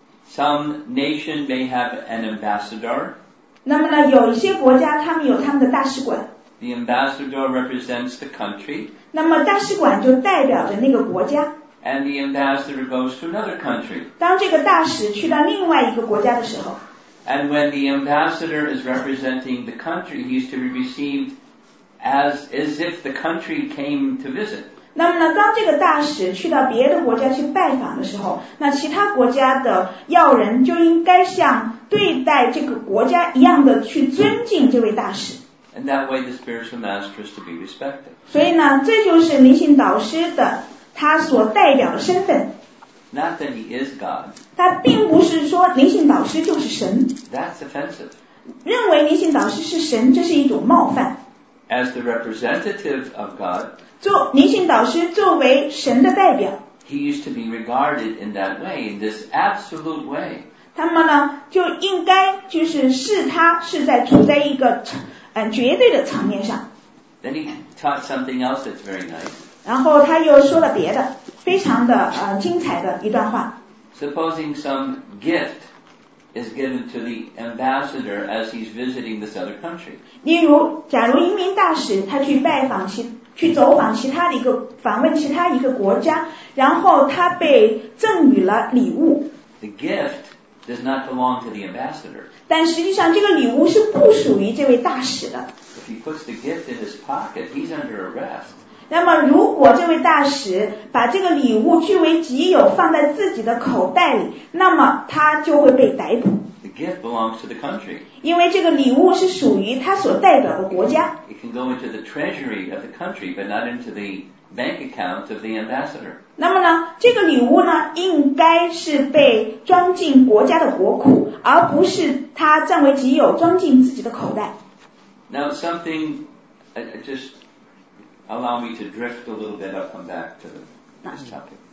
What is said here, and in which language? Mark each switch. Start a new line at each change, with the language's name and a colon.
English: Some nation may have an ambassador.
Chinese: 那么呢，有一些国家他们有他们的大使馆。
English: The ambassador represents the country.
Chinese: 那么大使馆就代表着那个国家。
English: And the ambassador goes to another country.
Chinese: 当这个大使去到另外一个国家的时候。
English: And when the ambassador is representing the country, he is to be received as if the country came to visit.
Chinese: 那么呢，当这个大使去到别的国家去拜访的时候，那其他国家的要人就应该像对待这个国家一样的去尊敬这位大使。
English: And that way the spiritual master is to be respected.
Chinese: 所以呢，这就是灵性导师的他所代表的身份。
English: Not that he is God.
Chinese: 他并不是说灵性导师就是神。
English: That's offensive.
Chinese: 认为灵性导师是神，这是一种冒犯。
English: As the representative of God,
Chinese: 做灵性导师作为神的代表
English: he used to be regarded in that way, in this absolute way.
Chinese: 他们呢就应该就是视他是在处在一个绝对的层面上。
English: Then he taught something else that's very nice.
Chinese: 然后他又说了别的非常的精彩的一段话。
English: Supposing some gift is given to the ambassador as he's visiting this other country.
Chinese: 例如假如一名大使他去拜访去走访其他的一个访问其他一个国家然后他被赠予了礼物。
English: The gift does not belong to the ambassador.
Chinese: 但实际上这个礼物是不属于这位大使的。
English: If he puts the gift in his pocket, he's under arrest.
Chinese: 那么如果这位大使把这个礼物据为己有放在自己的口袋里那么他就会被逮捕。
English: The gift belongs to the country.
Chinese: 因为这个礼物是属于他所代表的国家。
English: It can go into the treasury of the country, but not into the bank account of the ambassador.
Chinese: 那么呢这个礼物呢应该是被装进国家的国库而不是他占为己有装进自己的口袋。
English: Now something, just allow me to drift a little bit, I'll come back to this topic.